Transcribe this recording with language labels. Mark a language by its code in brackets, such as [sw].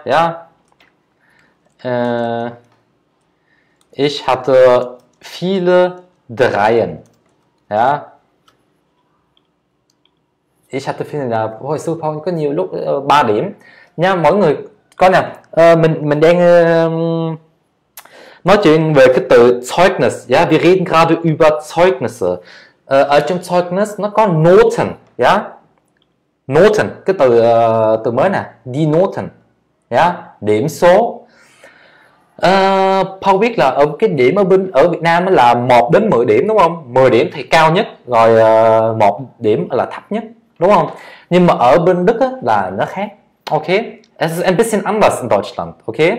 [de] Ja, ich hatte viele Dreien. Ja, ich hatte finde [vi] là hồi xưa Paul có nhiều lúc 3 điểm nha. Mỗi người Có nè, mình đang nói chuyện về cái từ Zeugnis, yeah? [de] Wir reden gerade über Zeugnisse. [vi] Ở trong Zeugnis nó có Noten, Noten, cái từ từ mới nè, die Noten, điểm số. Paul biết là ở cái điểm ở bên ở Việt Nam nó là 1 đến 10 điểm đúng không? 10 điểm thì cao nhất, rồi 1 điểm là thấp nhất, đúng không? Nhưng mà ở bên Đức á, là nó khác. [de] Ok, es ist ein bisschen anders in Deutschland, ok?